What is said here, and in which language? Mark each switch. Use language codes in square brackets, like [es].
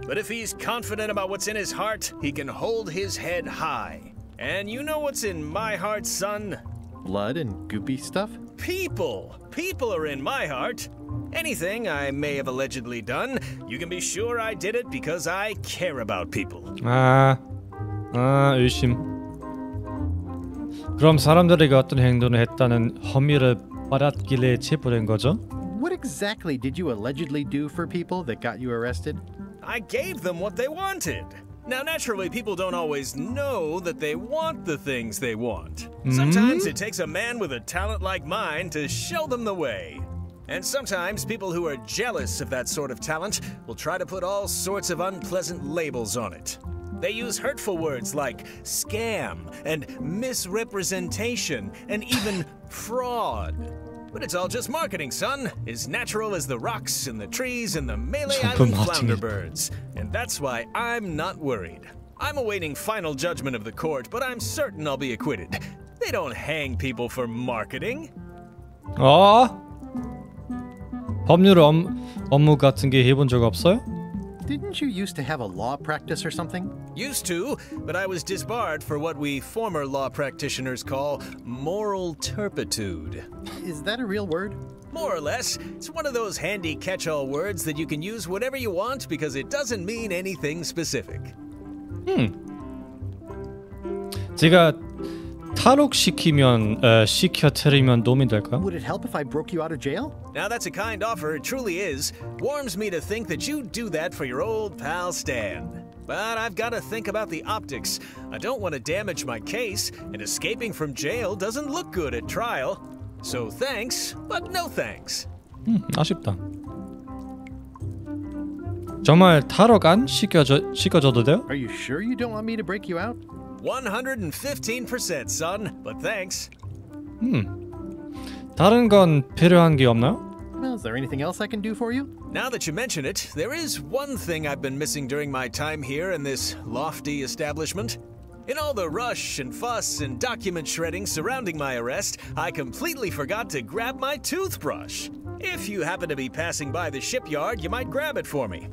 [en] But if he's confident about what's in his heart, he can hold his head high. And you know what's in my heart, son? Blood and goopy stuff? People. People are in my heart. Anything I may have allegedly done, you can be sure I did it because I care about people. Ah. 아, 의심. [ko] 그럼 사람들에게 어떤 행동을 했다는 혐의를 받았길래 체포된 거죠? [en] What exactly did you allegedly do for people that got you arrested? I gave them what they wanted. Now, naturally, people don't always know that they want the things they want. Sometimes it takes a man with a talent like mine to show them the way. And sometimes people who are jealous of that sort of talent will try to put all sorts of unpleasant labels on it. They use hurtful words like scam and misrepresentation and even fraud. But it's all just marketing, son. As natural as the rocks and the trees and the Malay Island flounder birds. And that's why I'm not worried. I'm awaiting final judgment of the court, but I'm certain I'll be acquitted. They don't hang people for marketing. [ko] 아, 법률 업무 같은 게 해본 적 없어요? [en] Didn't you used to have a law practice or something? Used to, but I was disbarred for what we former law practitioners call moral turpitude. Is that a real word? More or less. It's one of those handy catch-all words that you can use whatever you want because it doesn't mean anything specific. [ko] 제가 탈옥시키면, 시켜트리면 도움이 될까요? [en] Would it help if I broke you out of jail? Now that's a kind offer, it truly is. Warms me to think that you'd do that for your old pal Stan. But I've got to think about the optics. I don't want to damage my case, and escaping from jail doesn't look good at trial. So thanks, but no thanks. [ko] 아쉽다. 정말 탈옥 안 시켜줘도 돼요? [en] Are you sure you don't want me to break you out? 115%, son, but thanks. [ko] 다른 건 필요한 게 없나요? [en] Well, is there anything else I can do for you? Now that you mention it, there is one thing I've been missing during my time here in this lofty establishment. In all the rush and fuss and document shredding surrounding my arrest, I completely forgot to grab my toothbrush. If you happen to be passing by the shipyard, you might grab it for me.